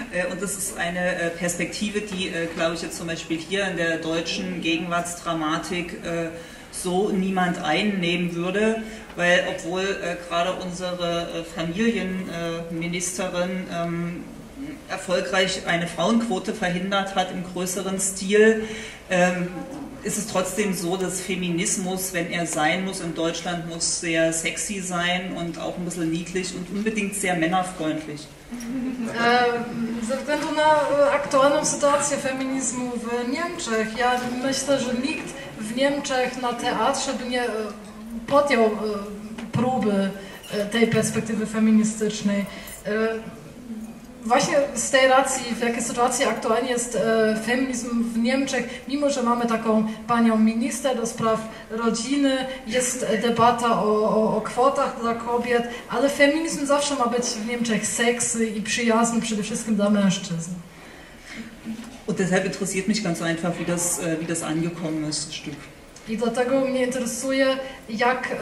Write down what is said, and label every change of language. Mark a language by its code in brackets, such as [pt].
[de] Und das ist eine Perspektive, die, glaube ich, jetzt zum Beispiel hier in der deutschen Gegenwartsdramatik so niemand einnehmen würde, weil obwohl gerade unsere Familienministerin erfolgreich eine Frauenquote verhindert hat im größeren Stil, ist es trotzdem so, dass Feminismus, wenn er sein muss, in Deutschland muss sehr sexy sein und auch ein bisschen niedlich und unbedingt sehr männerfreundlich. [pl] Ze względu na aktualną sytuację feminizmu w Niemczech, ja myślę, że nikt w Niemczech na teatrze by nie podjął próby tej perspektywy feministycznej. Właśnie z tej racji, w jakiej sytuacji aktualnie jest feminizm w Niemczech, mimo że mamy taką panią minister do spraw rodziny, jest debata o kwotach dla kobiet, ale feminizm zawsze ma być w Niemczech seksy i przyjazny przede wszystkim dla mężczyzn. [de] Und deshalb interessiert mich ganz einfach, wie das angekommen ist, Stück. [pl] I dlatego mnie interesuje, jak